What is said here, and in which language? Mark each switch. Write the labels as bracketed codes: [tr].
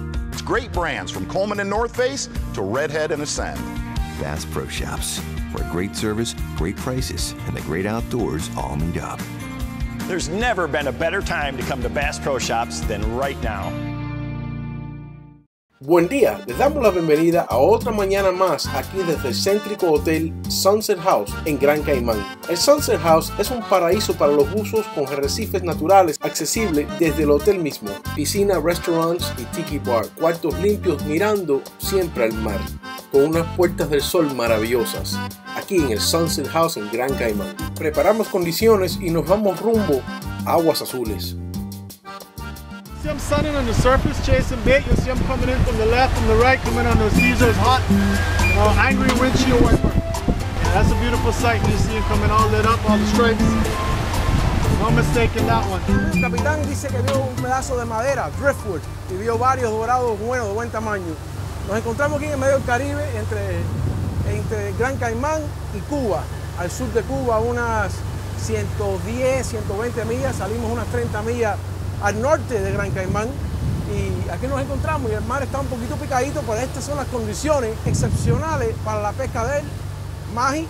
[en] It's great brands from Coleman and North Face to Redhead and Ascend. Bass Pro Shops. Where great service, great prices, and the great outdoors all meet up. There's never been a better time to come to Bass Pro Shops than right now. [es] Buen día. Les damos la bienvenida a otra mañana más aquí desde el céntrico hotel Sunset House en Gran Caimán. El Sunset House es un paraíso para los buzos con arrecifes naturales accesible desde el hotel mismo. Piscina, restaurants y tiki bar. Cuartos limpios mirando siempre al mar. Con unas puertas del sol maravillosas. Aquí en el Sunset House en Gran Caimán. Preparamos condiciones y nos vamos rumbo a aguas azules. [en] See him sunning on the surface, chasing bait. You'll see him coming in from the left and the right, coming on those geysers, hot, angry windshield wiper. Yeah, that's a beautiful sight. You see him coming all lit up, all the stripes. No mistake in that one. [es] El capitán dice que vio un pedazo de madera, driftwood, y vio varios dorados buenos, de buen tamaño. Nos encontramos aquí en medio del Caribe, entre Gran Caimán y Cuba. Al sur de Cuba, unas 110, 120 millas, salimos unas 30 millas al norte de Gran Caimán y aquí nos encontramos y el mar está un poquito picadito, pero estas son las condiciones excepcionales para la pesca del mahi.